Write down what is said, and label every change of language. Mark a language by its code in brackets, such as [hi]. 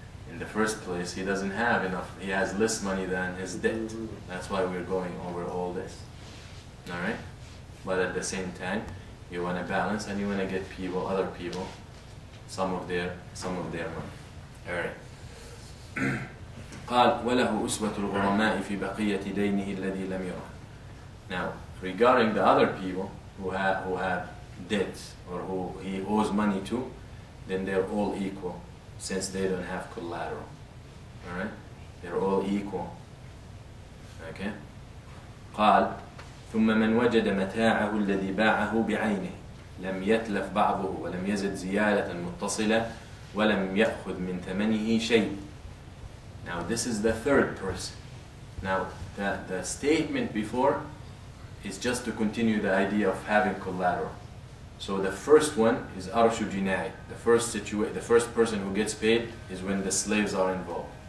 [en] In the first place, he doesn't have enough. He has less money than his debt. That's why we're going over all this. All right? But at the same time, you wanna balance and you wanna get people, other people, some of their money. All right. [ar] قال وله أسوة الغرماء في بقية دينه الذي لم يرهن. [en] Now regarding the other people who have debts or who he owes money to, then they're all equal since they don't have collateral. All right, they're all equal. Okay. [ar] قال ثم من وجد متاعه الذي باعه بعينه لم يتلف بعضه ولم يزد زيادة متصلة ولم يأخذ من ثمنه شيء. [en] Now this is the third person. Now the statement before is just to continue the idea of having collateral. So the first one is arshu jinai. The first person who gets paid is when the slaves are involved.